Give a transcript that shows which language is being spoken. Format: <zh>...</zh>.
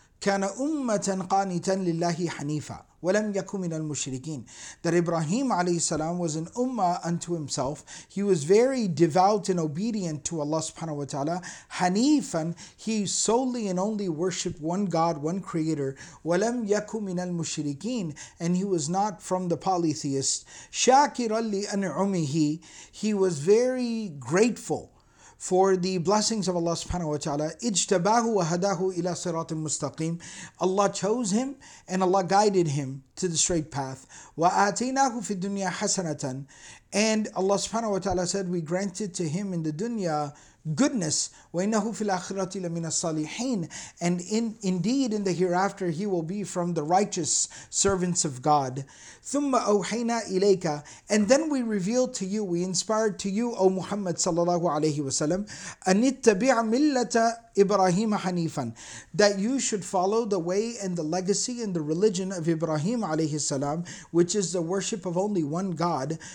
<ar>كان أمة قانتا لله حنيفة ولم يكن من المشركين.</ar> <en>That Ibrahim عليه السلام was an ummah unto himself. He was very devout and obedient to Allah subhanahu wa ta'ala. حنيفاً, he solely and only worshipped one God, one creator.</en> <ar>ولم يكن من المشركين.</ar> <en>And he was not from the polytheists.</en> <ar>شاكراً لأنعمه.</ar> <en>He was very grateful for the blessings of Allah subhanahu wa ta'ala.</en> <ar>اجتباه وهداه إلى صراط مستقيم.</ar> <en>Allah chose him and Allah guided him to the straight path.</en> <ar>وآتيناه في الدنيا حسنة.</ar> <en>And Allah subhanahu wa ta'ala said, we granted to him in the dunya goodness.</en> <ar>وإنه في الآخرة لمن الصالحين.</ar> <en>And indeed in the hereafter he will be from the righteous servants of God.</en> <ar>ثم أوحينا إليك.</ar> <en>And then we revealed to you, we inspired to you, O Muhammad صلى الله عليه وسلم,</en> <ar>أن اتبع ملة إبراهيم حنيفا,</ar> <en>that you should follow the way and the legacy and the religion of Ibrahim عليه السلام, which is the worship of only one God.</en>